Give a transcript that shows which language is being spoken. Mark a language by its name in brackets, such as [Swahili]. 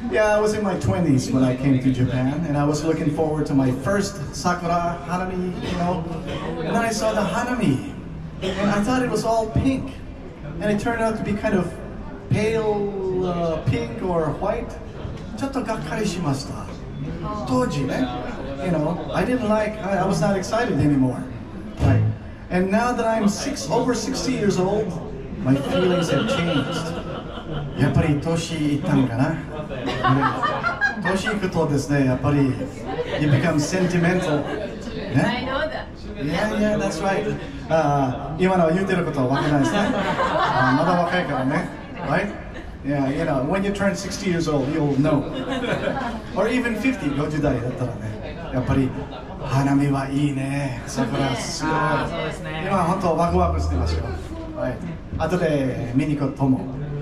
[English] Yeah, I was in my 20s when I came to Japan, and I was looking forward to my first sakura hanami, you know. And then I saw the hanami, and I thought it was all pink, and it turned out to be kind of pale pink or white. [Japanese] ちょっとがっかりしました。当時ね、 [English] you know, I didn't like. I was not excited anymore. Right. And now that I'm over 60 years old. My feelings have changed. [Japanese] やっぱり年いったのかな。年いくとですね、やっぱり [English] you become sentimental. [Japanese] ね、 [English] I know that. Yeah, yeah, that's right. [Japanese] 今のは言ってることはわからないですね。まだ若いからね。 [English] Right? Yeah, you know, when you turn 60 years old, you'll know. Or even 50, [Japanese] 50代だったらね。やっぱり花見はいいね。桜すごい。そうですね。今は本当ワクワクしてますよ。あとで見に行こうと思う。